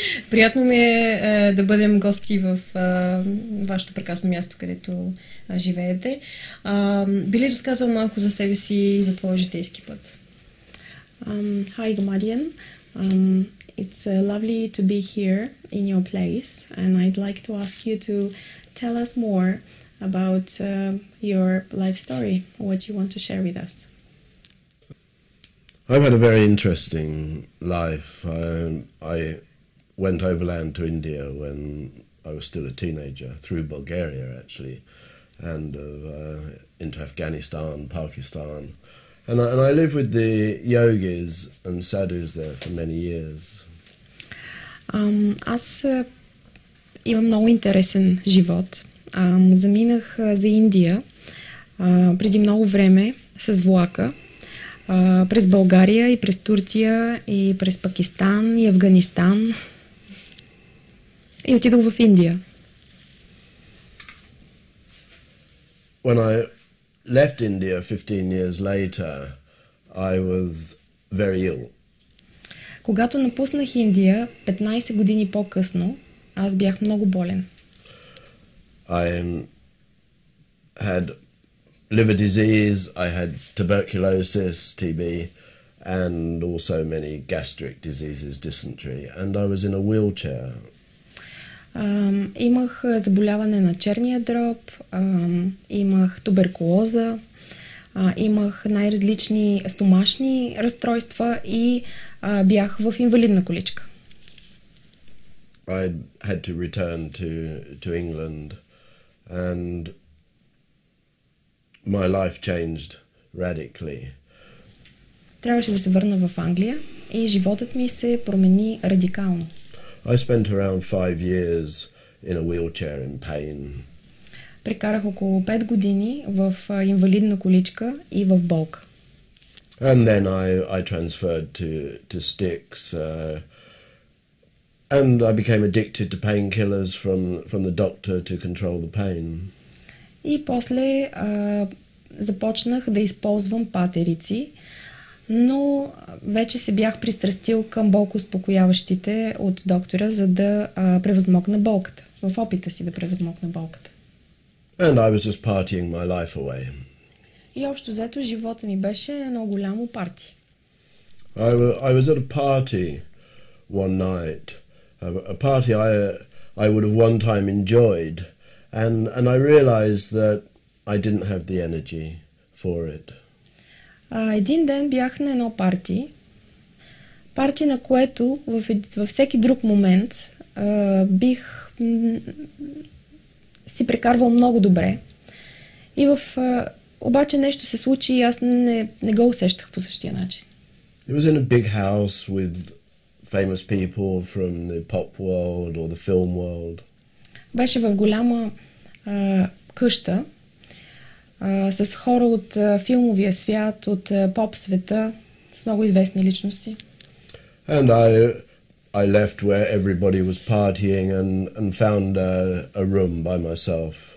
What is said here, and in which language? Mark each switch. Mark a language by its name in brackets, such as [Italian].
[Bulgarian] Приятно ми е да бъдем гости в вашето прекрасно място, където живеете. Би ли разказал малко за себе си и за твоя житейски път? [English] Хай, Гамадиан! It's lovely to be here in your place, and I'd like to ask you to tell us more about your life story, what you want to share with us. I've had a very interesting life. I went overland to India when I was still a teenager, through Bulgaria actually, and into Afghanistan, Pakistan. And I lived with the yogis and sadhus there for many years. [Bulgarian] Аз имам много интересен живот. Заминах за Индия преди много време с влака през България и през Турция и през Пакистан и Афганистан и отидох в Индия. [English] When I left India 15 years later, I was very ill. [Bulgarian] Когато напуснах Индия 15 години по-късно, аз бях много болен. [English] I had liver disease, I had tuberculosis, TB, and also many gastric diseases, dysentery, and I was in a wheelchair. [Bulgarian] Имах заболяване на черния дроб, имах туберкулоза. Имах най-различни стомашни разстройства и бях в инвалидна количка. [English] I had to return to England and my life changed radically. [Bulgarian] Трябваше да се върна в Англия и животът ми се промени радикално. [English] I spent around 5 years in a wheelchair in pain. [Bulgarian] Прекарах около 5 години в инвалидна количка и в болка. [English] And then I transferred to sticks and I became addicted to painkillers from the doctor to control the pain. [Bulgarian] И после започнах да използвам патерици, но вече се бях пристрастил към болкоуспокояващите от доктора, за да превъзмогна болката, в опита си да превъзмогна болката. [English] And I was just partying my life away. [Bulgarian] И общо взето живота ми беше едно голямо парти. [English] I was at a party one night. A party I would have one time enjoyed and I realized that I didn't have the energy for it. [Bulgarian] Един ден бях на едно парти. Парти, на което във всеки друг момент бих си прекарвал много добре. И в обаче нещо се случи и аз не го усещах по същия начин. [English] It was in a big house with famous people from the pop world or the film world. [Bulgarian] Беше в голяма къща с хора от филмовия свят, от поп света, с много известни личности. [English] And I left where everybody was partying and found a room by myself.